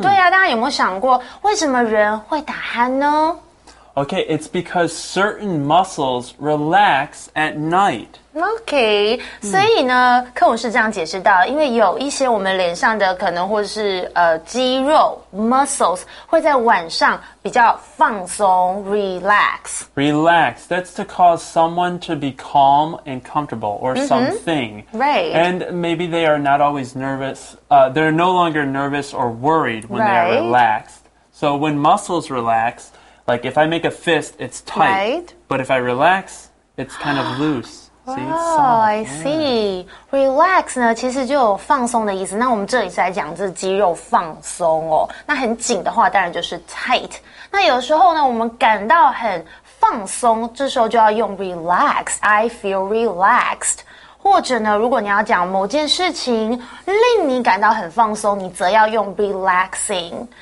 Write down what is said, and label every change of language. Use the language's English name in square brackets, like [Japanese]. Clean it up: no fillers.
[Chinese] 对呀，大家有没有想过为什么人会打鼾呢？ [English] Okay, it's because certain muscles relax at night. [Chinese] Okay, 所以呢，课文是这样解释到，因为有一些我们脸上的可能或是肌肉 muscles 会在晚上比较放松 relax. [English] Relax, that's to cause someone to be calm and comfortable or something. Right. And maybe they are not always nervous, they're no longer nervous or worried when they are relaxed. So when muscles relax, like if I make a fist, it's tight. Right. But if I relax, it's kind of loose. I see. [Chinese] Relax 呢，其实就有放松的意思。那我们这里是来讲这肌肉放松哦。那很紧的话，当然就是 tight。那有时候呢，我们感到很放松，这时候就要用 relax. [English] I feel relaxed. [Chinese] 或者呢，如果你要讲某件事情令你感到很放松，你则要用 relaxing.